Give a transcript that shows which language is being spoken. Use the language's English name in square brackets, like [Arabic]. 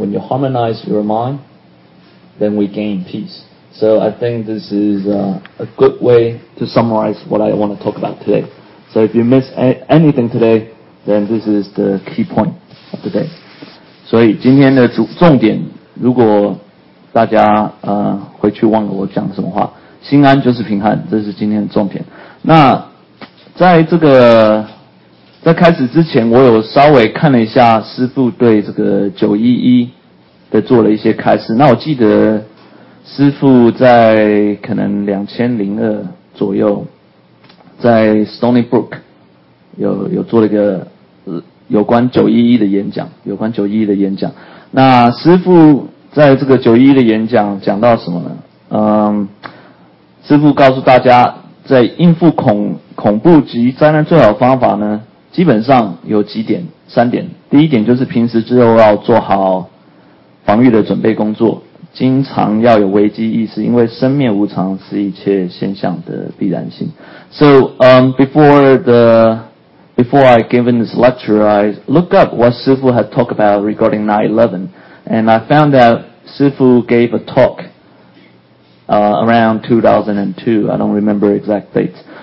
[English] When you harmonize your mind, then we gain peace. So I think this is a good way to summarize what I want to talk about today. So if you miss anything today, then this is the key point of the day. [Chinese] 所以今天的重点，如果大家回去忘了我讲什么话，心安就是平安，这是今天的重点。那在这个在开始之前，我有稍微看了一下师父对这个911的做了一些开示。那我记得师父在可能2002左右在 Stony Brook 有做了一个有关911的演讲，有关911的演讲。那师父在这个911的演讲讲到什么呢？师父告诉大家在应付恐怖及灾难最好的方法呢，基本上有几点，三点。第一点就是平时就要做好防御的准备工作，经常要有危机意识，因为生灭无常是一切现象的必然性。 [English] So, before I give this lecture, I looked up what 师父 had talked about regarding 9/11, and I found that 师父 gave a talk, around 2002, I don't remember exact dates.